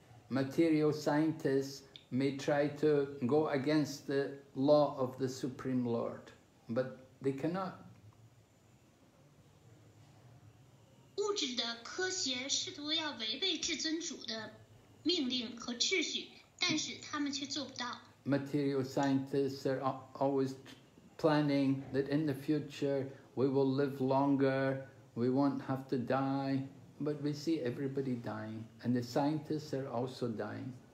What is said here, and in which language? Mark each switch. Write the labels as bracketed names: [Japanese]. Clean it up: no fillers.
[English] Material scientists may try to go against the law of the Supreme Lord, but they cannot. [Chinese] 物质的科学试图要违背至尊主的命令和秩序，但是他们却做不到。 [English] Material scientists are always planning that in the future we will live longer, we won't have to die, but we see everybody dying, and the scientists are also dying.